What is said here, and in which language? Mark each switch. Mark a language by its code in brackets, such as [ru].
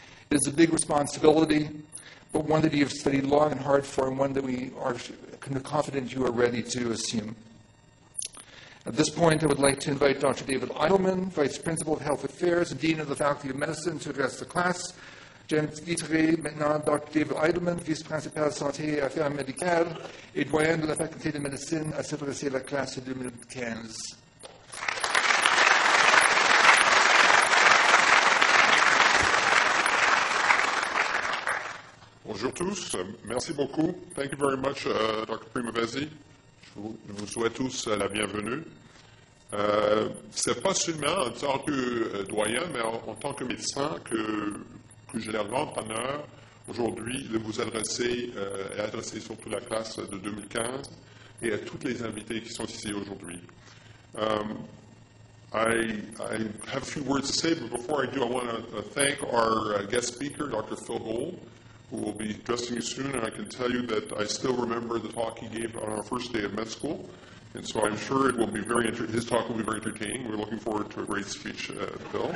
[en] It is a big responsibility, but one that you have studied long and hard for, and one that we are confident you are ready to assume. At this point, I would like to invite Dr. David Eidelman, Vice Principal of Health Affairs and Dean of the Faculty of Medicine, to address the class. [fr] J'inviterai maintenant Dr. David Eidelman, Vice-Principal de Santé et Affaires Médicales et doyen de la Faculté de Médecine, à s'adresser à la classe de 2015. Bonjour tous, merci beaucoup. [en] Thank you very much, Dr. Primavesi. [fr] Je vous souhaite tous la bienvenue. C'est pas seulement en tant que doyen, mais en tant que médecin que j'ai le grand honneur aujourd'hui de vous adresser et adresser surtout la classe de 2015 et à toutes les invités qui sont ici aujourd'hui. [en] I have a few words to say, but before I do, I want to thank our guest speaker, Dr. Phil Gold, who will be addressing you soon, and I can tell you that I still remember the talk he gave on our first day of med school, And so I'm sure it will be very his talk will be very entertaining. We're looking forward to a great speech, Bill.